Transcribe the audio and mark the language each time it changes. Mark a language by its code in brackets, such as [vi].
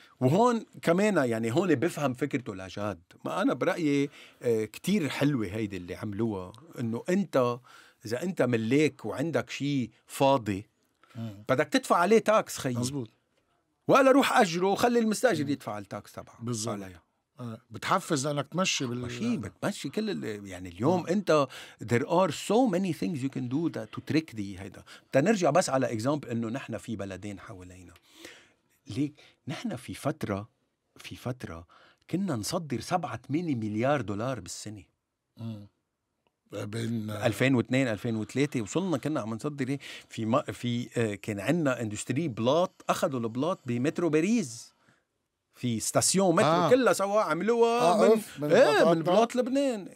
[ar] وهون كمان يعني هون بفهم فكرته لجاد. ما انا برايي كتير حلوه هيدي اللي عملوها انه انت اذا انت ملاك وعندك شيء فاضي بدك تدفع عليه تاكس خيي. مزبوط. ولا روح اجره وخلي المستاجر يدفع التاكس تبعه. بالظبط. بتحفز انك تمشي بالمشي بتمشي كل يعني اليوم انت [en] there are so many things you can do to trick the هيدا. [ar] تنرجع بس على اكزامبل انه نحن في بلدين حوالينا. ليك نحن في فترة كنا نصدر 7-8 مليار دولار بالسنة. بين 2002-2003 وصلنا كنا عم نصدر في كان عنا اندستري بلاط اخذوا البلاط بمترو باريس في ستاسيون مترو كلها سوا عملوها من بلاط لبنان.